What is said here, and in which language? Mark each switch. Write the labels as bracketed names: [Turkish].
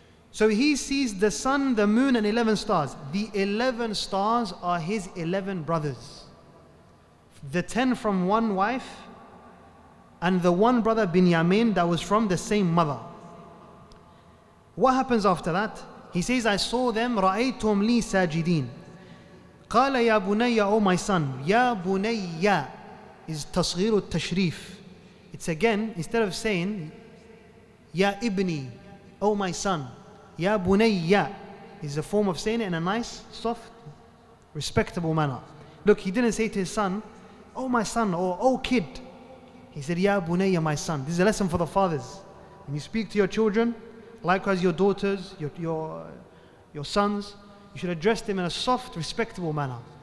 [English] So he sees the sun, the moon, and 11 stars. The 11 stars are his 11 brothers. The 10 from one wife, and the one brother, Binyamin, that was from the same mother. What happens after that? He says, I saw them, [Arabic] رَأَيْتُمْ لِي سَاجِدِينَ. قَالَ يَا بُنَيَّ, [English] oh my son, [Arabic] يَا بُنَيَّ is تَصْغِيرُ التَّشْرِيفِ. [English] It's again, instead of saying, [Arabic] يَا إِبْنِي, [English] oh my son, [Arabic] يَا بُنَيَّ [English] is a form of saying it in a nice, soft, respectable manner. Look, he didn't say to his son, oh my son, or oh kid. He said, [Arabic] يَا بُنَيَّ, [English] my son. This is a lesson for the fathers. When you speak to your children, likewise your daughters, your sons, you should address them in a soft, respectable manner.